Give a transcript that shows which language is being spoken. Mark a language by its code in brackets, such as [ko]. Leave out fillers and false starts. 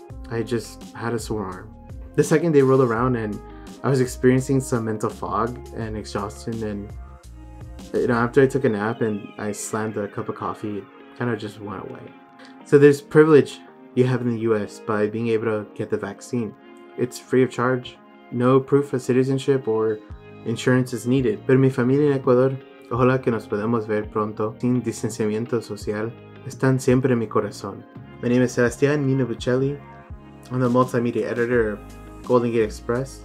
[en] I just had a sore arm. The second day rolled around and I was experiencing some mental fog and exhaustion. And you know, after I took a nap and I slammed a cup of coffee, it kind of just went away. So there's privilege you have in the US by being able to get the vaccine. It's free of charge. No proof of citizenship or insurance is needed. [es] Pero mi familia en Ecuador, ojalá que nos podamos ver pronto, sin distanciamiento social, están siempre en mi corazón. [en] My name is Sebastian Miño-Bucheli. I'm the multimedia editor of Golden Gate Express.